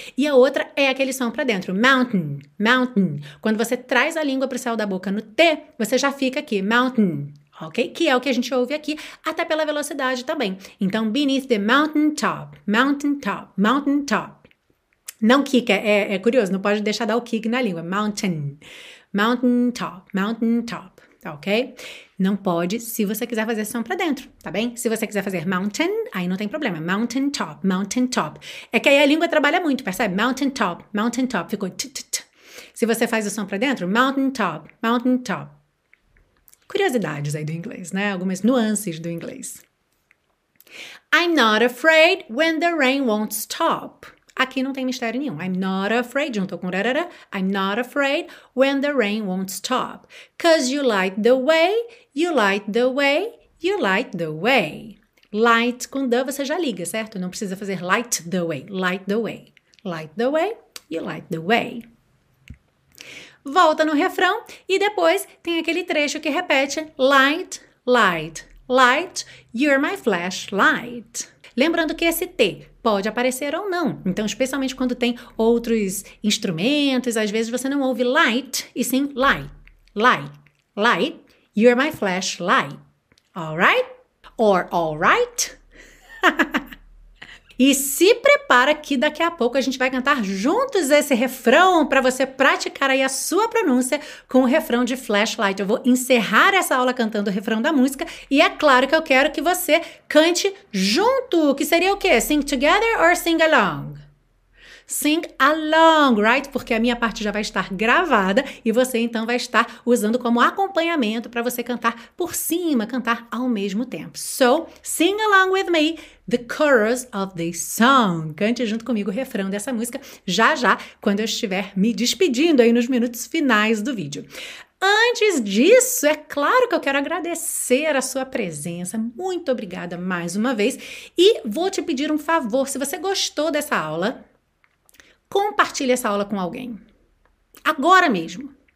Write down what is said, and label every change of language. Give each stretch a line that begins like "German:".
Portuguese: E a outra é aquele som pra dentro. Mountain, mountain. Quando você traz a língua pro céu da boca no T, você já fica aqui. Mountain, ok? Que é o que a gente ouve aqui, até pela velocidade também.
English: Então, beneath the mountain top. Mountain top, mountain top.
Portuguese: Não kick, é curioso. Não pode deixar dar o kick na língua.
English: Mountain, mountain top, mountain top. Ok?
Portuguese: Não pode se você quiser fazer som pra dentro, tá bem? Se você quiser fazer mountain, aí não tem problema. Mountain top, mountain top. É que aí a língua trabalha muito, percebe? Mountain top, mountain top. Ficou t-t-t. Se você faz o som pra dentro, mountain top, mountain top. Curiosidades aí do inglês, né? Algumas nuances do inglês.
English: I'm not afraid when the rain won't stop.
Portuguese: Aqui não tem mistério nenhum.
English: I'm not afraid, junto com rarara. I'm not afraid when the rain won't stop. 'Cause you light the way, you light the way, you light the way.
Portuguese: Light com the você já liga, certo? Não precisa fazer light the way, light the way.
English: Light the way, you light the way.
Portuguese: Volta no refrão e depois tem aquele trecho que repete.
English: Light, light, light, you're my flashlight.
Portuguese: Lembrando que esse T pode aparecer ou não. Então, especialmente quando tem outros instrumentos, às vezes você não ouve light, e sim light, light, light, you're my flashlight, alright? Or alright? E se prepara que daqui a pouco a gente vai cantar juntos esse refrão para você praticar aí a sua pronúncia com o refrão de flashlight. Eu vou encerrar essa aula cantando o refrão da música e é claro que eu quero que você cante junto, que seria o quê?
English: Sing together or sing along? Sing along, right?
Portuguese: Porque a minha parte já vai estar gravada e você então vai estar usando como acompanhamento para você cantar por cima, cantar ao mesmo tempo.
English: So, sing along with me the chorus of this song.
Portuguese: Cante junto comigo o refrão dessa música já já, quando eu estiver me despedindo aí nos minutos finais do vídeo. Antes disso, é claro que eu quero agradecer a sua presença. Muito obrigada mais uma vez. E vou te pedir um favor, se você gostou dessa aula, compartilhe essa aula com alguém. Agora mesmo.